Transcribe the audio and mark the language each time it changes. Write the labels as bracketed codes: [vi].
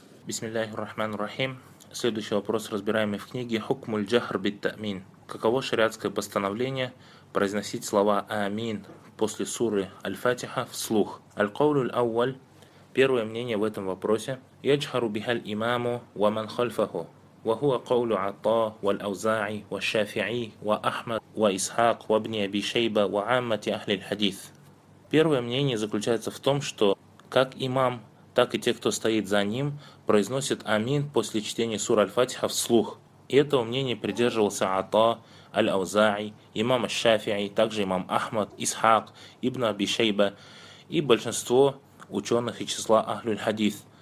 [ru] Бисмиллахи рахману рахим. Следующий вопрос разбираем в книге [ar] «Хукму льджахр бит та'мин». [ru] Каково шариатское постановление произносить слова «Амин» после суры «Аль-Фатиха» вслух? [ar] «Аль-Кавлю л-Авваль» [ru] – первое мнение в этом вопросе. [ar] «Яджхару бихаль имаму ва ман хальфаху». وهو قول عطاء والأوزاعي والشافعي وأحمد وإسحاق وابن أبي شيبة وعامة أهل الحديث. [ru] Первое мнение заключается в том, что как имам, так и те, кто стоит за ним, произносят амин после чтения суры Аль-Фатиха вслух. И этого мнения придерживался Ата, Аль-Аузаи, имам Аш-Шафии, также имам Ахмад, Исхак, Ибн Аби Шейба и большинство ученых из числа Ахлюль-Хадith.